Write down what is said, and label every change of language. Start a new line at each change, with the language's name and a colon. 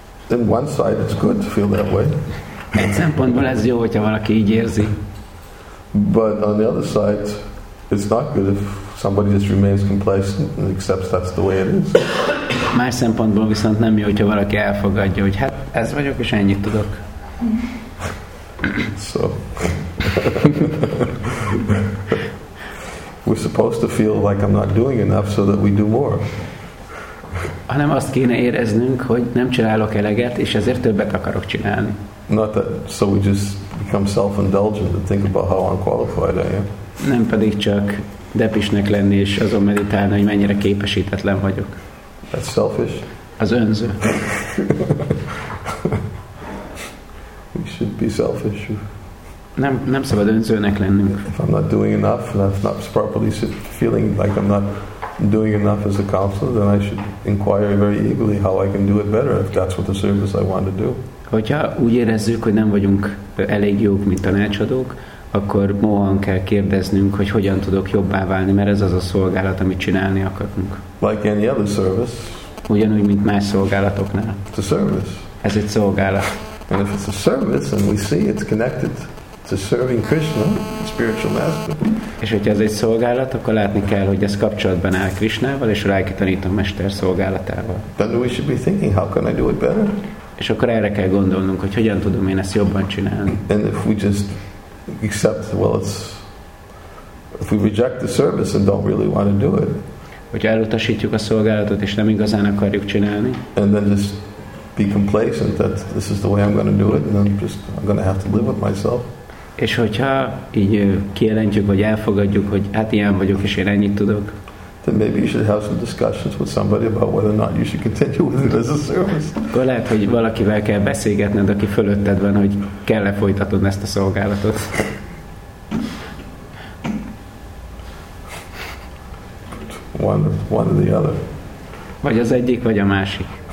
English: In one side it's good to feel that way.
Hungarian: Egy szempontból ez jó, hogyha valaki így érzi.
English: But on the other side it's not good if somebody just remains complacent and accepts that's the way it is.
Hungarian: Más szempontból viszont nem jó, hogyha valaki elfogadja, hogy hát ez vagyok, és ennyit tudok.
English: So. We're supposed to feel like I'm not doing enough so that we do more.
Hungarian: Hanem azt kéne éreznünk, hogy nem csinálok eleget, és ezért többet akarok csinálni.
English: Not that, so we just become self-indulgent and think about how unqualified I am.
Hungarian: Nem pedig csak depisnek lenni, és azon meditálni, hogy mennyire képesítetlen vagyok.
English: That's selfish.
Hungarian: Az önző.
English: We should be selfish.
Hungarian: Nem szabad önzőnek lennünk.
English: If I'm not doing enough, and I'm not properly feeling like I'm not doing enough as a counselor, then I should inquire very eagerly how I can do it better, if that's what the service I want to do.
Hungarian: Hogyha úgy érezzük, hogy nem vagyunk elég jók, mint tanácsadók, akkor mohan kell kérdeznünk, hogy hogyan tudok jobbá válni, mert ez az a szolgálat, amit csinálni akarunk.
English: Like any other service.
Hungarian: Ugyanúgy, mint más szolgálatoknál.
English: It's a service.
Hungarian: Ez egy szolgálat.
English: And if it's a service, and we see it's connected to serving Krishna, the spiritual master.
Hungarian: És hogyha ez egy szolgálat, akkor látni kell, hogy ez kapcsolatban áll Krishnával, és Lelki Tanító Mester szolgálatával.
English: Then we should be thinking, how can I do it better?
Hungarian: És akkor erre kell gondolnunk, hogy hogyan tudom én ezt jobban csinálni.
English: And if we just except well it's if we reject the service and don't really want to do it.
Hungarian: Hogy elutasítjuk a szolgálatot és nem igazán akarjuk csinálni.
English: And then just be complacent that this is the way I'm going to do it and I'm going to have to live with myself.
Hungarian: És hogyha így kijelentjük vagy elfogadjuk, hogy hát ilyen vagyok és én ennyit tudok.
English: Then maybe you should have some discussions with somebody about whether or not you should continue with it as a service.
Hungarian: Akkor lehet, hogy valakivel kell beszélgetned, aki fölötted van, hogy kell-e folytatod ezt a szolgálatot.
English: One or the other.
Hungarian: Vagy az egyik, vagy a másik.